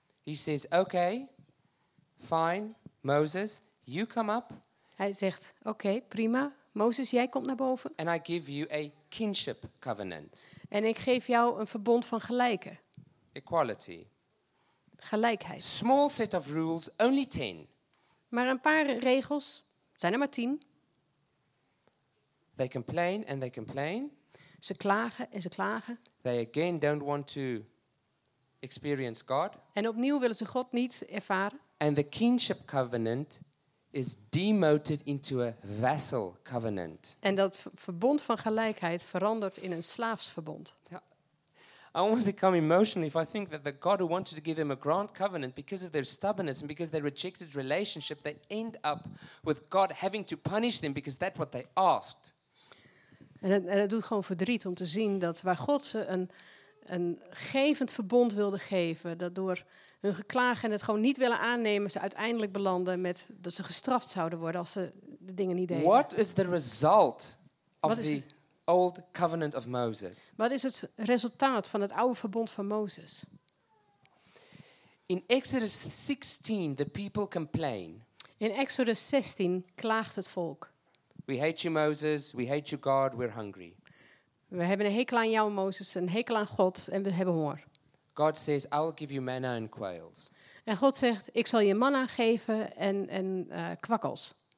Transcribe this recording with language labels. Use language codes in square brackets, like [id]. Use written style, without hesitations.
[en] He says, okay, fine, Moses, you come up. [nl] Hij zegt, okay, prima, Moses, jij komt naar boven. [en] And I give you a kinship covenant. [nl] En ik geef jou een verbond van gelijke. [en] Equality. [nl] Gelijkheid. [en] Small set of rules, only 10. [nl] Maar een paar regels, zijn er maar 10. [en] They complain and they complain. [nl] Ze klagen en ze klagen. [en] They again don't want to experience God. [nl] En opnieuw willen ze God niet ervaren. [en] And the kinship covenant is demoted into a vassal covenant. [nl] En dat verbond van gelijkheid verandert in een slaafsverbond. Ja. [en] I almost become emotional if I think that the God who wanted to give them a grand covenant because of their stubbornness and because they rejected relationship, they end up with God having to punish them because that's what they asked. [nl] En het doet gewoon verdriet om te zien dat waar God ze een gevend verbond wilde geven, dat door hun geklaag en het gewoon niet willen aannemen, ze uiteindelijk belanden met dat ze gestraft zouden worden als ze de dingen niet deden. [en] What is the result of the Old Covenant of Moses. [nl] Wat is het resultaat van het oude verbond van Mozes? [en] In Exodus 16, the people complain. [nl] In Exodus 16 klaagt het volk. [en] We hate you, Moses. We hate you, God. We're hungry. [nl] We hebben een hekel aan jou, Moses, een hekel aan God, en we hebben honger. [en] God says, I'll give you manna and quails. [nl] En God zegt, ik zal je manna geven en kwakkels.